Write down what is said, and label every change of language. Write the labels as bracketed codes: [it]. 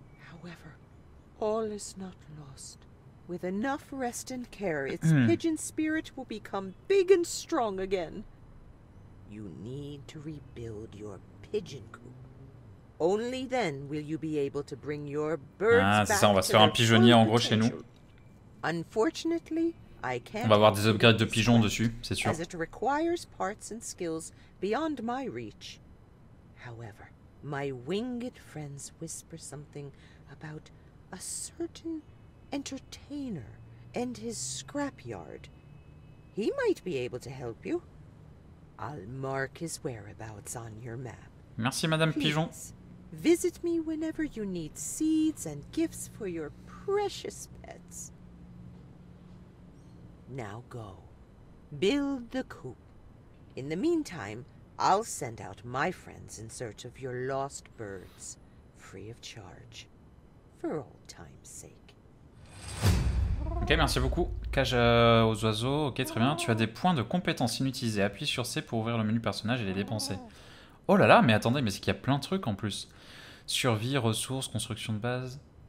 [en] However, all is not lost. With enough rest and care, its pigeon spirit will become big and strong again. You need to rebuild your pigeon coop. Only then will you be able to bring your birds back. [fr] Ah, c'est ça, on va se faire un pigeonnier en gros chez nous. [en] Unfortunately, I can't. [fr] On va avoir des upgrades de pigeons dessus, c'est sûr. [en] As it requires parts and skills beyond my reach. However, my winged friends whisper something about a certain entertainer and his scrapyard. He might be able to help you. I'll mark his whereabouts on your map. [fr] Merci, Madame Pigeon. [en] Please, visit me whenever you need seeds and gifts for your precious pets. Now go. Build the coop. In the meantime, I'll send out my friends in search of your lost birds, free of charge, for old time's sake. [fr] Ok, merci beaucoup. Cage aux oiseaux, ok, très bien. Tu as des points de compétences inutilisés. Appuie sur C pour ouvrir le menu personnage et les dépenser. Oh là là, mais attendez, mais c'est qu'il y a plein de trucs en plus. Survie, ressources, construction de base.